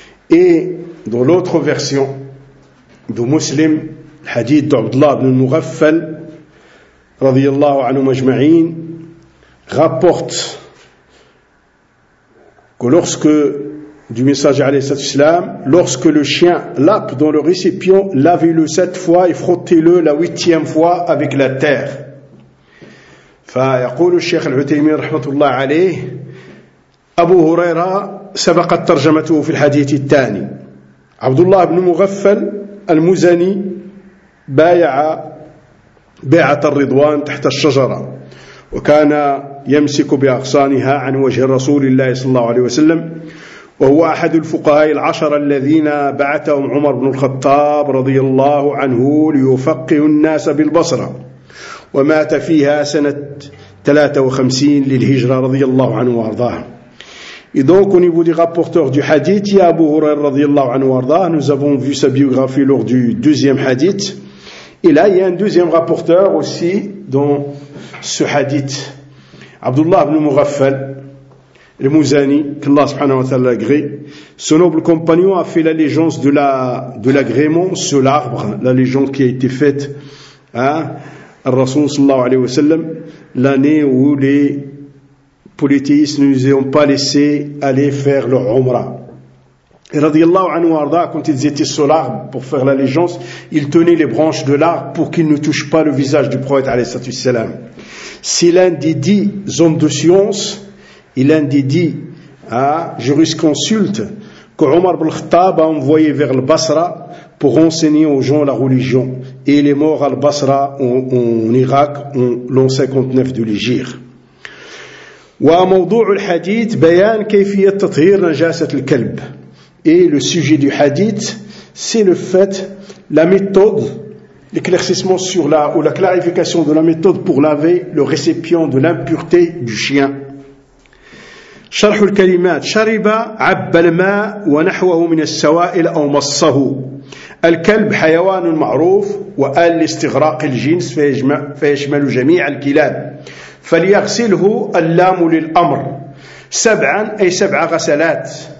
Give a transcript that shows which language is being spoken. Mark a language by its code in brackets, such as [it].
[fr] Et dans l'autre version de Muslim, الحديث عبد الله بن المغفل رضي الله عنه مجمعين rapporte que du message عليه الصلاة والسلام lorsque le chien lape dans le récipient, lavez-le sept fois et frottez-le la huitième fois avec la terre. [ar] فيقول الشيخ العثيمين رحمة الله عليه أبو هريرة سبقت ترجمته في الحديث الثاني. عبد الله بن المغفل المزني بايع بيعة الرضوان تحت الشجرة، وكان يمسك بأغصانها عن وجه رسول الله صلى الله عليه وسلم، وهو أحد الفقهاء العشرة الذين بعثهم عمر بن الخطاب رضي الله عنه ليفقه الناس بالبصرة، ومات فيها سنة 53 للهجرة رضي الله عنه وارضاه. [fr] Et donc au niveau des rapporteurs du hadith, يا أبو هريرة رضي الله عنه وارضاه, nous avons vu sa biographie lors du deuxième hadith. Et là, il y a un deuxième rapporteur aussi dans ce hadith. Abdullah ibn Mughaffal, le Mouzani, qu'Allah subhanahu wa ta'ala agrée. Son noble compagnon a fait l'allégeance de l'agrément sur l'arbre, l'allégeance qui a été faite à Rasoul sallallahu alayhi wa sallam, l'année où les polythéistes ne nous ont pas laissé aller faire leur umrah. Et radiyallahu anhu arda, quand ils étaient sur l'arbre pour faire l'allégeance, ils tenaient les branches de l'arbre pour qu'ils ne touchent pas le visage du prophète alayhi salatu wassalam. C'est l'un des 10 hommes de science et l'un des 10 jurisconsultes que Omar ibn Khattab a envoyé vers le Basra pour enseigner aux gens la religion. Et il est mort à le Basra en Irak en l'an 59 de l'Hijr. [ar] وموضوع الحديث بيان كيفية تطهير نجاسة الكلب. [fr] Et le sujet du hadith, c'est le fait, la méthode, l'éclaircissement sur la, ou la clarification de la méthode pour laver le récipient de l'impureté du chien. [ar] شرح الكلمات شرب عب الماء ونحوه من السوائل أو مصه. الكلب حيوان معروف وآل استغراق الجنس فيشمل جميع الكلاب. فليغسله اللام للأمر. سبعا أي سبع غسلات.